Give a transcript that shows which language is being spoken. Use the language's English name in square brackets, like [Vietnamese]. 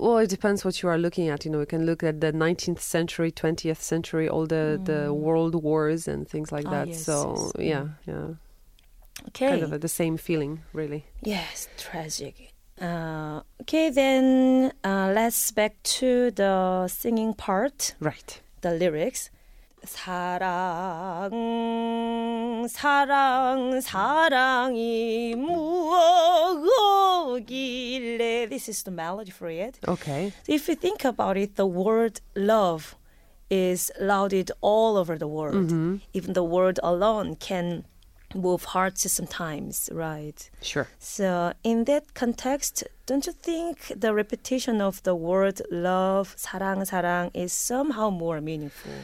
[English] Well, it depends what you are looking at. You know, we can look at the 19th century, 20th century, all the world wars and things like that. Yes, so, yes. Yeah. Okay. Kind of the same feeling, really. Yes, tragic. Okay, then let's back to the singing part. Right. The lyrics. [Korean] 사랑, 사랑, 사랑이 무엇이길래. [English] This is the melody for it. Okay. If you think about it, the word love is lauded all over the world. Mm-hmm. Even the word alone can move hearts sometimes, right? Sure. So in that context, don't you think the repetition of the word love, [Korean] 사랑, 사랑, [English] is somehow more meaningful?